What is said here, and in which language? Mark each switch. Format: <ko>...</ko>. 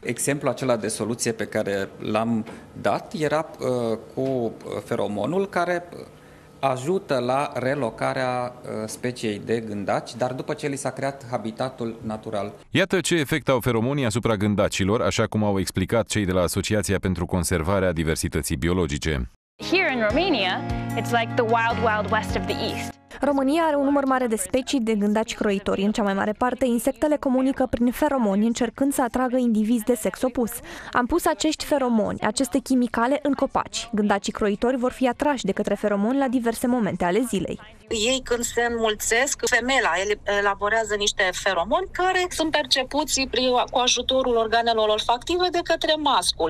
<ro>Exemplul acela de soluție pe care l-am dat era cu feromonul care ajută la relocarea speciei de gândaci, dar după ce li s-a creat habitatul natural. Iată ce efect au feromonii asupra gândacilor, așa cum au explicat cei de la Asociația pentru Conservarea Diversității Biologice.</ro> <en>Here in Romania, it's like the wild, wild west of the east.</en> <ro>România are un număr mare de specii de gândaci croitori. În cea mai mare parte, insectele comunică prin feromoni, încercând să atragă indivizi de sex opus. Am pus acești feromoni, aceste chimicale, în copaci. Gândacii croitori vor fi atrași de către feromoni la diverse momente ale zilei. Ei, când se înmulțesc, femela elaborează niște feromoni care sunt percepuți cu ajutorul organelor olfactive de către mascul.</ro>